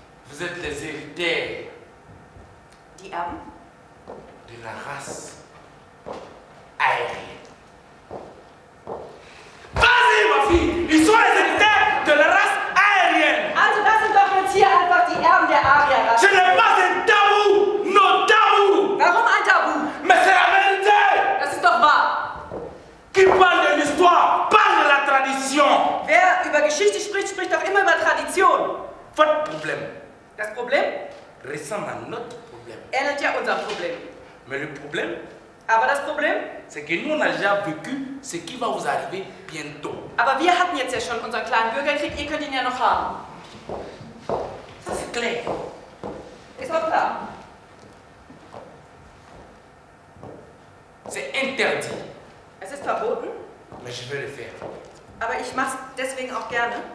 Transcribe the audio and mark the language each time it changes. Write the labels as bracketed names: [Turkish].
[French] Vous êtes les héritiers. [German] Die Erben? [French] De la race aérienne. Vas-y, ma fille! Ils sont les héritiers de la race aérienne! [German] Also, das sind doch jetzt hier einfach die Erben der Arierrasse. [French] Je n'ai pas un tabou! Non tabou! [German] Warum ein Tabou? [French] Mais c'est la vérité! [German] Das ist doch wahr! [French] Qui parle de l'histoire, parle de la tradition! [German] Wer über Geschichte spricht, spricht doch immer über Tradition! [French] Votre problème. [German] Das Problem? [French] Ressemble à notre problème. [German] Ähnelt ja unser Problem. [French] Mais le problème? [German] Aber das Problem? [French] C'est que nous on a déjà vécu ce qui va vous arriver bientôt. [German] Aber wir hatten jetzt ja schon unseren kleinen Bürgerkrieg, ihr könnt ihn ja noch haben. [French] Ça c'est clair. [German] Ist doch klar. [French] C'est interdit. [German] Es ist verboten. [French] Mais je vais le faire. [German] Aber ich mach's deswegen auch gerne.